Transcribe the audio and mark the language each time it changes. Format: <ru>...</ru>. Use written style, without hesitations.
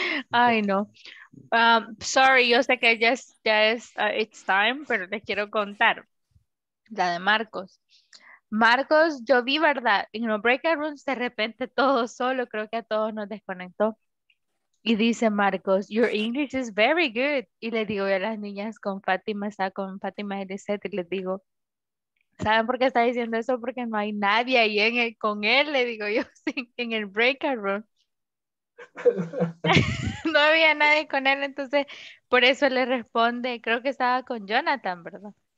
<es>Ay, no. Sorry, yo sé que</es> <en>it's time,</en> <es>pero les quiero contar la de Marcos. Marcos, yo vi, ¿verdad? En los breakout rooms, de repente todo solo, creo que a todos nos desconectó. Y dice Marcos,</es> <en>your English is very good.</en> <es>Y le digo a las niñas con Fátima, está con Fátima Elisette, y les digo, ¿saben por qué está diciendo eso? Porque no hay nadie ahí en el, con él, le digo yo, en el breakout room. No había nadie con él, entonces por eso le responde, creo que estaba con Jonathan, ¿verdad?</es>